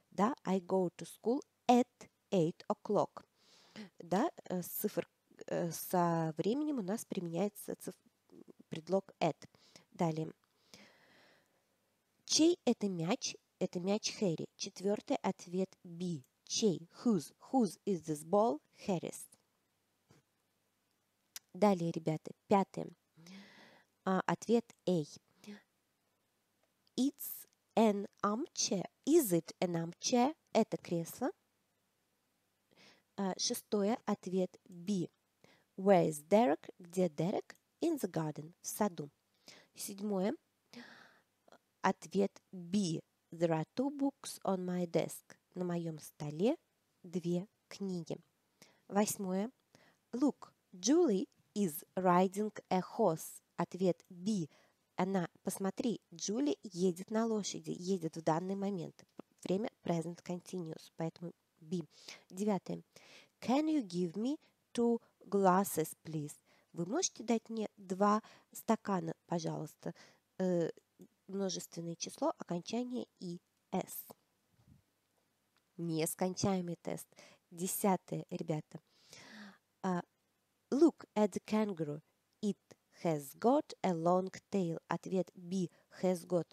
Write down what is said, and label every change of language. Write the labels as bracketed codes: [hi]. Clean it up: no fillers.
[en] Да, I go to school at 8 o'clock. [ru] Да, со временем у нас применяется предлог at. Далее. Чей это мяч? Это мяч Harry. Четвертый ответ B. Чей? [en] Whose? Whose is this ball? Harry's. [ru] Далее, ребята, пятое. Ответ A. [en] It's an armchair. Is it an armchair? [ru] Это кресло. Шестое. Ответ B. [en] Where is Derek? [ru] Где Derek? [en] In the garden. [ru] В саду. Седьмое. Ответ B. [en] There are two books on my desk. [ru] На моем столе две книги. Восьмое. [en] Look, Julie is riding a horse. [ru] Ответ B. Она, посмотри, Джули едет на лошади. Едет в данный момент. Время present continuous. Поэтому B. Девятое. [en] Can you give me two glasses, please? [ru] Вы можете дать мне два стакана, пожалуйста? Множественное число, окончание и S. Нескончаемый тест. Десятое, ребята. [en] Look at the kangaroo. It has got a long tail. [ru] Ответ B. [en] Has got.